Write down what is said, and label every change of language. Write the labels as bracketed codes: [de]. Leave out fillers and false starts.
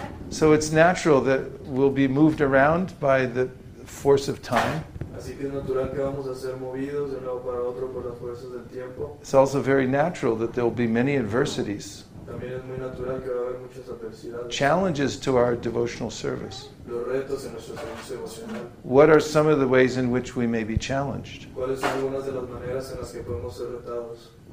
[en] So it's natural that we'll be moved around by the force of time. It's also very natural that there'll be many adversities. [es] También es muy natural que va a haber muchas adversidades. [en] Challenges to our devotional service. [es] Los retos en nuestro servicio devocional. [en] What are some of the ways in which we may be challenged? [es] ¿Cuáles son algunas de las maneras en las que podemos ser retados?